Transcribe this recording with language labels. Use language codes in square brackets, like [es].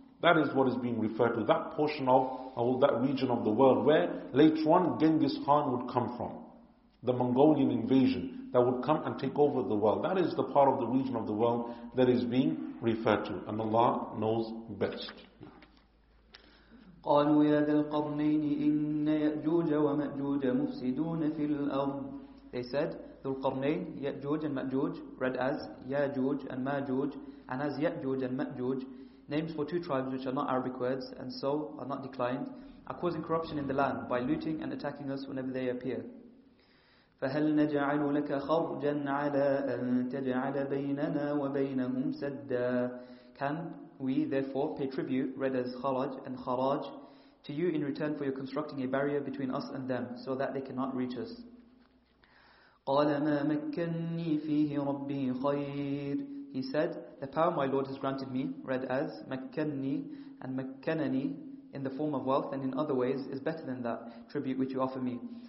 [en] That is what is being referred to, that portion of that region of the world where later on Genghis Khan would come from. The Mongolian invasion that would come and take over the world. That is the part of the region of the world that is being referred to. And Allah knows best. [ar] قالوا يا ذا القرنين إن يأجوج ومأجوج مفسدون في الأرض. [en] They said, ذو القرنين, يأجوج and مأجوج, read as ياجوج and ماجوج, and as يأجوج and مأجوج, names for two tribes which are not Arabic words and so are not declined, are causing corruption in the land by looting and attacking us whenever they appear. [ar] فهل نجعل لك خرجا على أن تجعل بيننا وبينهم سدا. [en] Can we therefore pay tribute, read as kharaj and kharaj, to you in return for your constructing a barrier between us and them, so that they cannot reach us. [ar] قَالَ مَا مَكَّنِّي فِيهِ رَبِّي خَيْرٍ. [en] He said, the power my Lord has granted me, read as مَكَّنِّي and مَكَّنَنِي, in the form of wealth and in other ways, is better than that tribute which you offer me.